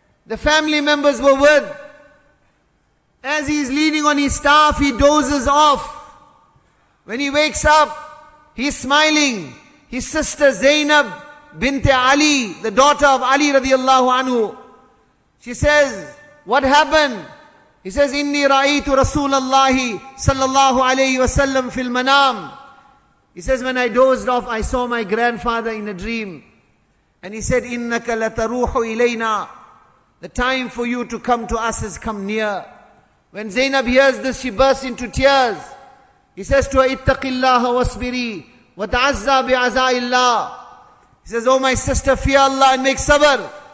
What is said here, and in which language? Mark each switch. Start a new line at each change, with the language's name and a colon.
English: The family members were with. As he is leaning on his staff, he dozes off. When he wakes up, he's smiling. His sister Zainab bint Ali, the daughter of Ali radiallahu anhu, she says, what happened? He says,
Arabic: إِنِّي رَأَيْتُ رَسُولَ اللَّهِ صَلَّى اللَّهُ عَلَيْهِ وَسَلَّمْ فِي الْمَنَامِ.
English: He says, when I dozed off, I saw my grandfather in a dream. And he said,
Arabic: إِنَّكَ لَتَرُوحُ إِلَيْنَا.
English: The time for you to come to us has come near. When Zainab hears this, she bursts into tears. He says to her,
Arabic: اِتَّقِ اللَّهَ وَاسْبِرِي وَتَعَزَّى بِعَزَاءِ اللَّهِ.
English: He says, oh my sister, fear Allah and make sabr.